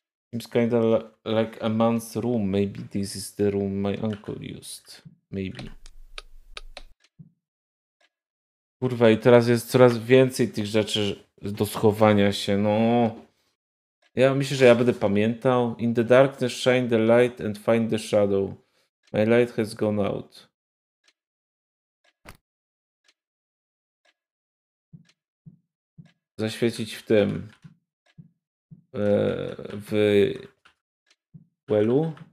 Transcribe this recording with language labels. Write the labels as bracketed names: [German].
[English] Seems kinda like a man's room. Maybe this is the room my uncle used. Maybe. [Polish] Kurwa, i teraz jest coraz więcej tych rzeczy do schowania się, no. Ja myślę, że ja będę pamiętał. [English] In the darkness shine the light and find the shadow. My light has gone out. [Polish] Zaświecić w tym. W wellu.